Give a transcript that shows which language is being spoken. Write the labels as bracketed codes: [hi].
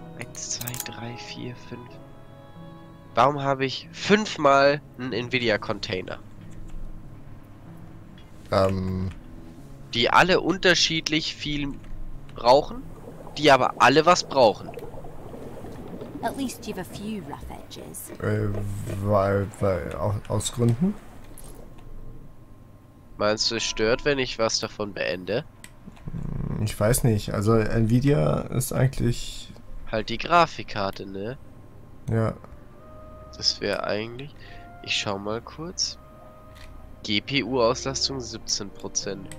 [de] 1, 2, 3, 4, 5. Warum habe ich 5-mal einen Nvidia-Container? Die alle unterschiedlich viel brauchen, die aber alle was brauchen. [en] At least you've a few rough edges. [de] Weil aus Gründen? Meinst du, es stört, wenn ich was davon beende? Ich weiß nicht. Also Nvidia ist eigentlich. Halt die Grafikkarte, ne? Ja. Das wäre eigentlich. Ich schau mal kurz. GPU-Auslastung 17%.